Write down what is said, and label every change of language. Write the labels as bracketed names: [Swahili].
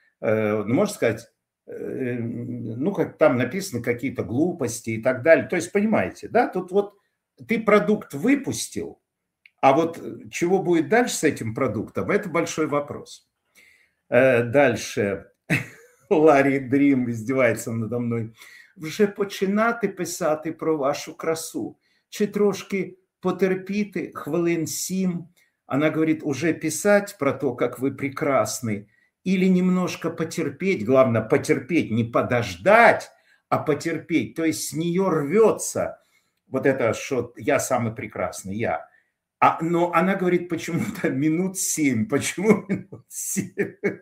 [Russian] Может сказать, ну, как там написано, какие-то глупости и так далее. То есть, понимаете, да? Тут вот ты продукт выпустил, а вот чего будет дальше с этим продуктом, это большой вопрос. Дальше. Ларри Дрим издевается надо мной. [Ukrainian] Вже починати писати про вашу красу? Чи трошки потерпіти хвилин сім? [Russian] Она говорит, уже писать про то, как вы прекрасны? Или немножко потерпеть? Главное, потерпеть, не подождать, а потерпеть. То есть с нее рвется вот это, что я самый прекрасный, я. А, но она говорит, почему-то минут семь. Почему минут семь?